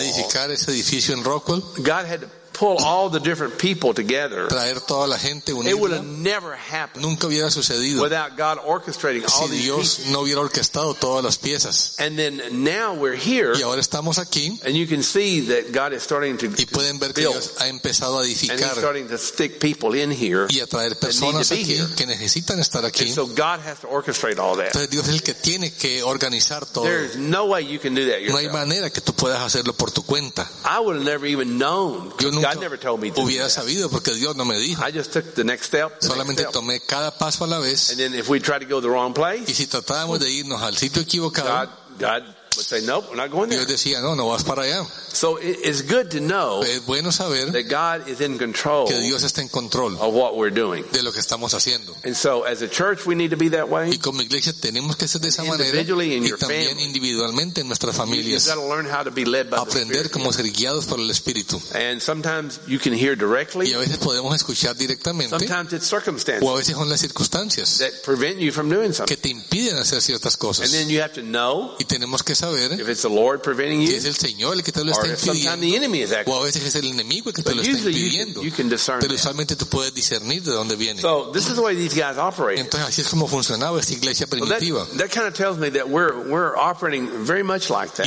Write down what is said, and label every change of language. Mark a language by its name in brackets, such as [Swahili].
[Spanish] Edificar ese edificio en Rockwall. [English] God had to pull all the different people together. [Spanish] Traer toda la gente unida. [English] It would have never happened. [Spanish] Nunca hubiera sucedido. [English] Without God orchestrating all [Spanish] si [English] these [Spanish] Dios [English] pieces. [Spanish] No hubiera orquestado todas las piezas. [English] And then now we're here. [Spanish] Y ahora estamos aquí. [English] And you can see that God is starting to build. [Spanish] Y pueden ver que Dios ha empezado a edificar. [English] And he's starting to stick people in here. [Spanish] Y a traer personas aquí que necesitan estar aquí. [English] And so God has to orchestrate all that. [Spanish] Entonces Dios es el que tiene que organizar todo. [English] There is no way you can do that yourself. [Spanish] No hay manera que tú puedas hacerlo por tu cuenta. [English] I would have never even known. God never told me to. [Spanish] Hubiera sabido porque Dios no me dijo. [English] I just took the next step. [Spanish] Solamente tomé cada paso a la vez. [English] And then if we tried to go the wrong place, [Spanish] y si tratábamos de irnos al sitio equivocado, [English] God would say, "Nope, we're not going there." [Spanish] Dios decía, "No, no vas para allá." [English] So it's good to know. [Spanish] Es bueno saber [English] that God is in control. [Spanish] Que Dios está en control [English] of what we're doing. [Spanish] De lo que estamos haciendo. [English] And so as a church, we need to be that way. [Spanish] Y como iglesia tenemos que ser de esa manera. [English] Individually in your family. [Spanish] Y también individualmente en nuestras familias. [English] You've got to learn how to be led by the Spirit. [Spanish] Aprender cómo ser guiados por el Espíritu. [English] And sometimes you can hear directly. [Spanish] Y a veces podemos escuchar directamente. [English] Sometimes it's circumstances. [Spanish] O a veces son las circunstancias. [English] That prevent you from doing something. [Spanish] Que te impiden hacer ciertas cosas. [English] And then you have to know. [Spanish] Y tenemos que saber. [English] If it's the Lord preventing you. [Spanish] Si es el Señor el que te lo está. O a veces es el enemigo que te lo está impidiendo. Pero usualmente tú puedes discernir de dónde viene. [English] So this is the way these guys operate. [Spanish] Entonces así es como funcionaba esta iglesia primitiva. [English] That kind of tells me that we're operating very much like that.